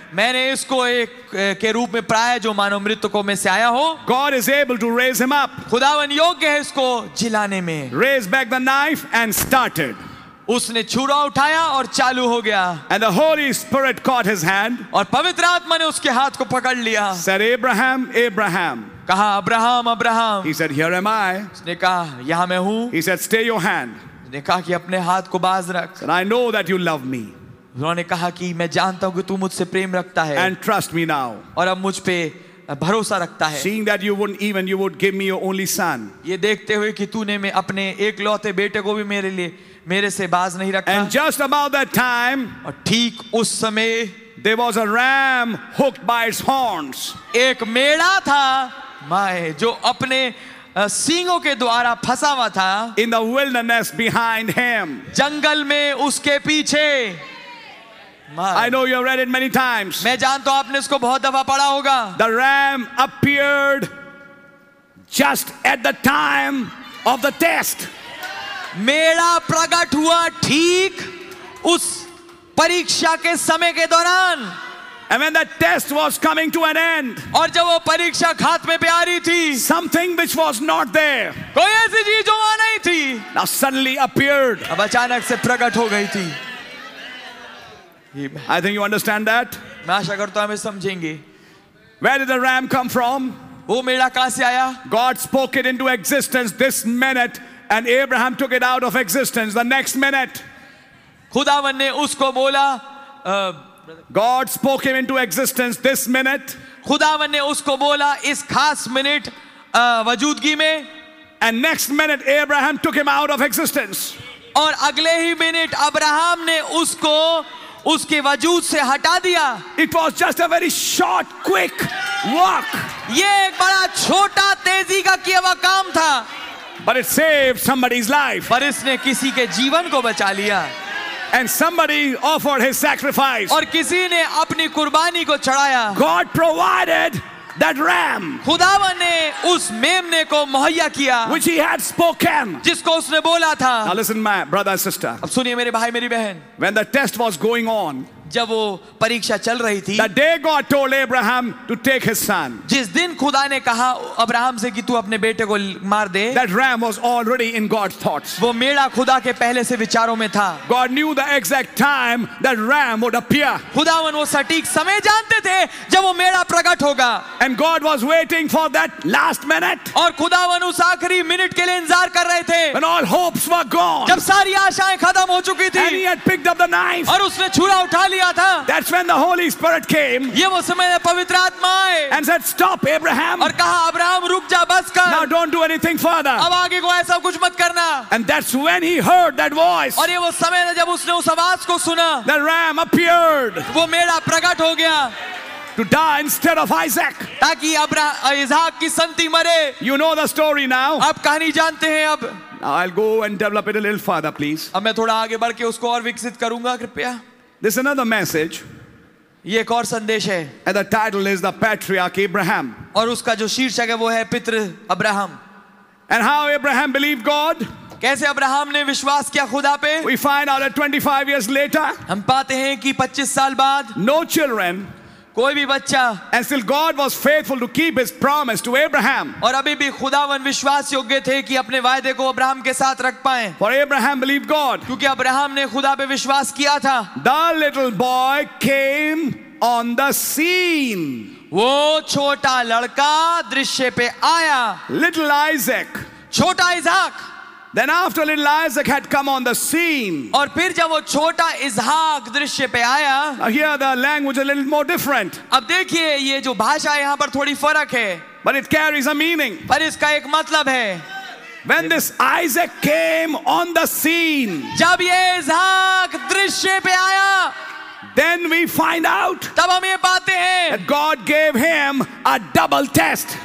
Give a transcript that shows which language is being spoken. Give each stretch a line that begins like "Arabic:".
Hindi: मैंने इसको एक के रूप में पाया जो मानव मृतकों में से आया हो.
English: God is able to raise him up.
Hindi: खुदावन योग्य है इसको जिलाने में.
English: Raise back the knife and started.
Hindi: उसने छुरा उठाया और चालू हो गया.
English: And the Holy Spirit caught his hand.
Hindi: और पवित्र आत्मा ने उसके हाथ को पकड़ लिया.
English: Said Abraham, Abraham.
Hindi: कहा Abraham Abraham.
English: He said here am I.
Hindi: उसने कहा यहाँ मैं हूँ.
English: He said stay your hand.
Hindi: उसने कहा कि अपने हाथ को बाज रख.
English: And I know that you love me.
Hindi: उन्होंने कहा कि मैं जानता हूँ कि तू मुझसे प्रेम रखता है.
English: And trust me now.
Hindi: और अब मुझ पे भरोसा रखता है.
English: Seeing that you would give me your only son.
Hindi: ये देखते हुए कि तूने मैं अपने एकलौते बेटे को भी मेरे लिए मेरे से बाज नहीं रखा.
English: And just about that time.
Hindi: और ठीक उस समय.
English: There was a ram hooked by its horns.
Hindi: एक मेड़ा था माए जो अपने सींगों के द्वारा फंसा हुआ था.
English: In the wilderness behind him.
Hindi: जंगल में उसके पीछे.
English: I know you have read it many times.
Hindi: मैं जानता हूं आपने इसको बहुत दफा पढ़ा होगा.
English: The ram appeared just at the time of the test.
Hindi: मेरा प्रकट हुआ ठीक उस परीक्षा के समय के दौरान.
English: And when the test was coming to an end,
Hindi: और जब वो परीक्षा खात्मे पे आ रही थी,
English: something which was not there,
Hindi: कोई ऐसी चीज़ जो वहाँ नहीं थी,
English: now suddenly appeared,
Hindi: अब अचानक से प्रकट हो गई थी.
English: I think you understand that.
Hindi: मैं आशा करता हूँ हमें समझेंगे.
English: Where did the ram come from?
Hindi: वो मेड़ा कहाँ से आया?
English: God spoke it into existence this minute, and Abraham took it out of existence the next minute.
Hindi: खुदावन ने उसको बोला.
English: God spoke him into existence this minute.
Hindi: खुदावन ने उसको बोला इस खास मिनट वजूदगी में.
English: And next minute Abraham took him out of existence.
Hindi: और अगले ही मिनट अब्राहम ने उसको उसके वजूद से हटा दिया.
English: It was just a very short, quick walk.
Hindi: ये एक बड़ा छोटा तेजी का किया हुआ काम था.
English: But it saved somebody's life.
Hindi: पर इसने किसी के जीवन को बचा लिया.
English: And somebody offered his sacrifice.
Hindi: और किसी ने अपनी कुर्बानी को चढ़ाया.
English: God provided that ram.
Hindi: खुदावन ने उस मेमने को मुहैया किया.
English: Which he had spoken.
Hindi: जिसको उसने बोला था.
English: Now listen, my brother and sister.
Hindi: अब सुनिए मेरे भाई मेरी बहन.
English: When the test was going on.
Hindi: जब वो परीक्षा चल रही थी.
English: The day God told Abraham to take his son.
Hindi: जिस दिन खुदा ने कहा अब्राहम से कि तू अपने बेटे को मार दे.
English: That ram was already in God's thoughts.
Hindi: वो मेड़ा खुदा के पहले से विचारों में था.
English: God knew the exact time that ram would appear.
Hindi: खुदावन वो सटीक समय जानते थे जब वो मेड़ा प्रकट होगा.
English: And God was waiting for that last minute.
Hindi: और खुदावन उस आखिरी मिनट के लिए इंतजार कर रहे थे.
English: When all hopes were gone.
Hindi: जब सारी आशाएं खत्म हो चुकी थी.
English: And he had picked up the knife.
Hindi: और उसने छुरा उठा लिया.
English: That's when the Holy Spirit came.
Hindi: ये वो समय है पवित्र आत्मा आए.
English: And said, "Stop, Abraham."
Hindi: और कहा अब्राहम रुक जा बस कर.
English: Now don't do anything further.
Hindi: अब आगे को ऐसा कुछ मत करना.
English: And that's when he heard that voice.
Hindi: और ये वो समय है जब उसने उस आवाज को सुना.
English: The ram appeared.
Hindi: वो मेरा प्रकट हो गया.
English: To die instead of Isaac.
Hindi: ताकि इसहाक की संति मरे.
English: You know the story now.
Hindi: आप कहानी जानते हैं अब.
English: I'll go and develop it a little further, please.
Hindi: अब मैं थोड़ा आगे बढ़के उसको और विकसित करूँगा कृपया.
English: This is another message.
Hindi: ये एक और संदेश है.
English: And the title is the Patriarch Abraham.
Hindi: और उसका जो शीर्षक है वो है पितृ Abraham.
English: And how Abraham believed God?
Hindi: कैसे अब्राहम ने विश्वास किया खुदा पे?
English: We find out that 25 years later.
Hindi: हम पाते हैं कि 25 साल बाद.
English: No children.
Hindi: कोई भी बच्चा.
English: And still God was faithful to keep His promise to Abraham.
Hindi: और अभी भी खुदावन विश्वास योग्य थे कि अपने वायदे को अब्राहम के साथ रख पाएं.
English: For Abraham believed God.
Hindi: क्योंकि अब्राहम ने खुदा पे विश्वास किया था.
English: The little boy came on the scene.
Hindi: वो छोटा लड़का दृश्य पे आया.
English: Little Isaac.
Hindi: छोटा इसहाक.
English: Then after little Isaac had come on the scene.
Hindi: और फिर जब वो छोटा इसहाक दृश्य पे आया.
English: Now here the language a little more different.
Hindi: अब देखिए ये जो भाषा यहाँ पर थोड़ी फर्क है.
English: But it carries a meaning.
Hindi: पर इसका एक मतलब है.
English: When this Isaac came on the scene.
Hindi: जब ये इसहाक दृश्य पे आया.
English: Then we find out that God gave him a double test.